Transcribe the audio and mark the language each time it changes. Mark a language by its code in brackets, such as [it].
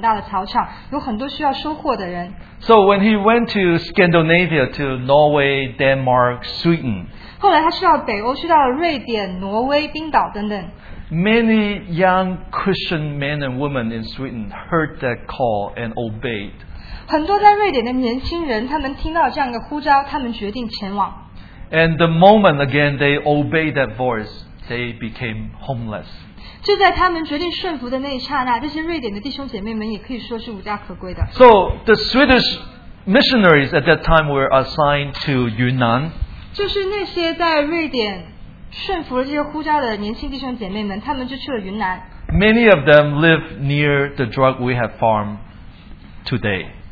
[zh] 他就去欧洲来美国，他去跟很多的人说，他说在中国这是一个很大的草场，有很多需要收获的人。 [en] So when he went to Scandinavia, to Norway, Denmark, Sweden, [zh] 后来他去到北欧，去到瑞典、挪威、冰岛等等。 [en] Many young Christian men and women in Sweden heard that call and obeyed. [zh] 很多在瑞典的年轻人，他们听到这样的呼召，他们决定前往。 [en] And the moment again they obeyed that voice, they became homeless. [zh] 就在他们决定顺服的那一刹那，这些瑞典的弟兄姐妹们也可以说是无家可归的。 [en] So the Swedish missionaries at that time were assigned to Yunnan. [zh] 就是那些在瑞典顺服了这些呼召的年轻弟兄姐妹们，他们就去了云南。 [en] Many of them live near the drug rehab farm today.